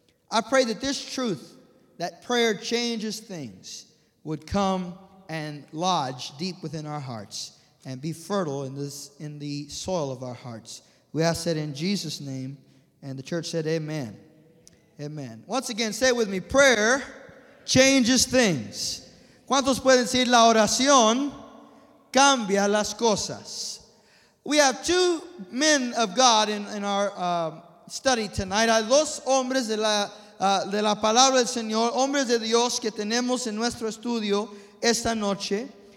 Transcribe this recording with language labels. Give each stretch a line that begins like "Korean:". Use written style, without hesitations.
English: I pray that this truth, that prayer changes things, would come and lodge deep within our hearts and be fertile in the soil of our hearts. We ask that in Jesus' name, and the church said amen. Amen. Once again, say it with me, prayer changes things.
Spanish: ¿Cuántos pueden decir la oración cambia las cosas?
English: We have two men of God in our study tonight.
Spanish: Hay dos hombres de la palabra del Señor, hombres de Dios que tenemos en nuestro estudio esta noche.